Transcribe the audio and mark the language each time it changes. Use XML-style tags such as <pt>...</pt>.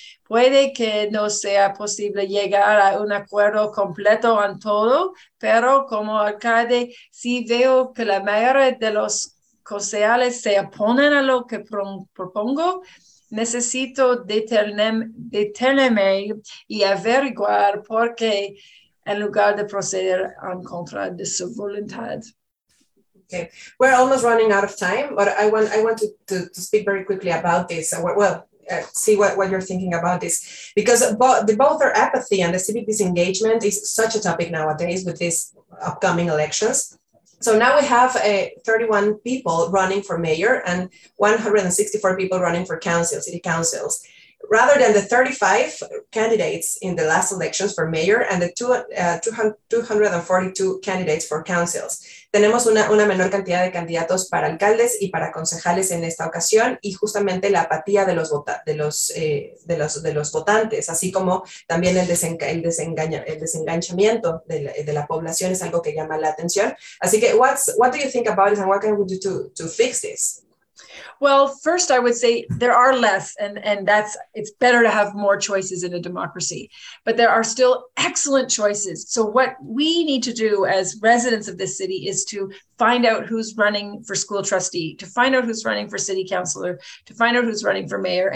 <es>Puede que no sea posible llegar a un acuerdo completo en todo, pero como alcalde sí veo que la mayoría de los concejales se oponen a lo que propongo, necesito detenerme y averiguar por qué, en lugar de proceder en contra de su voluntad.</es> <en>Okay, we're almost running out of time, but I want to speak very quickly about this. See what you're thinking about this, because both our apathy and the civic disengagement is such a topic nowadays with these upcoming elections. So now we have 31 people running for mayor and 164 people running for council, city councils, rather than the 35 candidates in the last elections for mayor and the 242 candidates for councils.</en> <es>Tenemos una menor cantidad de candidatos para alcaldes y para concejales en esta ocasión, y justamente la apatía de los votantes, así como también el desenganchamiento de la población, es algo que llama la atención. Así que</es> <en>what do you think about this, and what can we do to fix this? Well, first I would say there are less, and that's, it's better to have more choices in a democracy, but there are still excellent choices. So what we need to do as residents of this city is to find out who's running for school trustee, to find out who's running for city councilor, to find out who's running for mayor.</en>